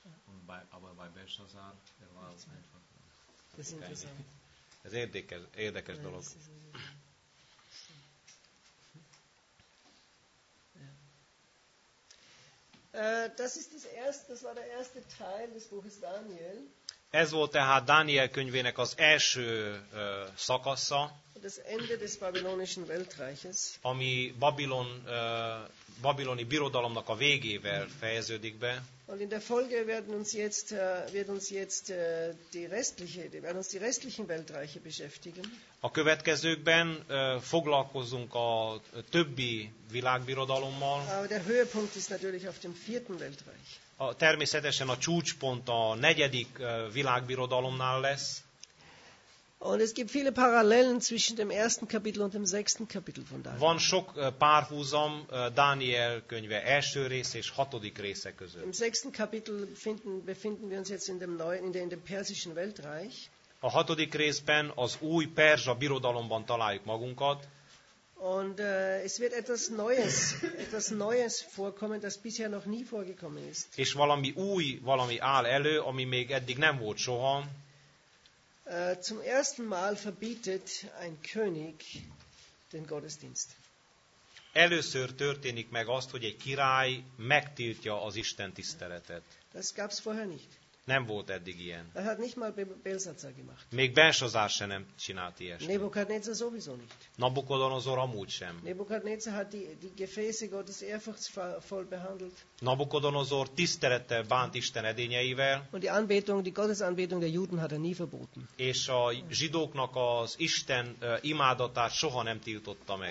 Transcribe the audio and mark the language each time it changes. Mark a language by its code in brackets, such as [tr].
[de] Und aber bei Belshazzar, er war es einfach. Das ist interessant. [hu] Ez érdekes dolog. [de] Das war der erste Teil des Buches Daniel. [hu] Ez volt tehát Dániel könyvének az első szakasza. [de] Das Ende des babylonischen Weltreiches. [hu] Ami Babylon babiloni birodalomnak a végével fejeződik be. [de] Und in der Folge werden uns die restlichen Weltreiche beschäftigen. [hu] A következőkben foglalkozunk a többi világbirodalommal. [de] Aber der Höhepunkt ist natürlich auf dem vierten Weltreich. [hu] Természetesen a csúcspont a negyedik világbirodalomnál lesz. [de] Und es gibt viele Parallelen zwischen dem ersten Kapitel und dem sechsten Kapitel von Daniel. [hu] Van sok párhuzam Dániel könyve első része és hatodik része között. [de] Im sechsten Kapitel befinden wir uns jetzt in dem persischen Weltreich. [hu] A hatodik részben az új perzsa birodalomban találjuk magunkat. [de] Und es wird etwas Neues vorkommen, das bisher noch nie vorgekommen ist. [hu] És valami új, valami áll elő, ami még eddig nem volt soha. [de] Zum ersten Mal verbietet ein König den Gottesdienst. [hu] Először történik meg azt, hogy egy király megtiltja az Isten tiszteletet. [de] Das gab's vorher nicht. [hu] Nem volt eddig ilyen. [de] Er hat nicht mal Belsatzer gemacht. [hu] Még Belsazár se nem csinált ilyesmit. [de] Nebukadnezar sowieso nicht. [hu] Nabukodonozor amúgy sem. [de] Nebukadnezar hat die Gefäße Gottes ehrfurchtsvoll behandelt. [hu] Nabukodonozor tisztelettel bánt Isten edényeivel. [de] Und die Anbetung, die Gottesanbetung der Juden hat er nie verboten. [hu] És a zsidóknak az Isten imádatát soha nem tiltotta meg.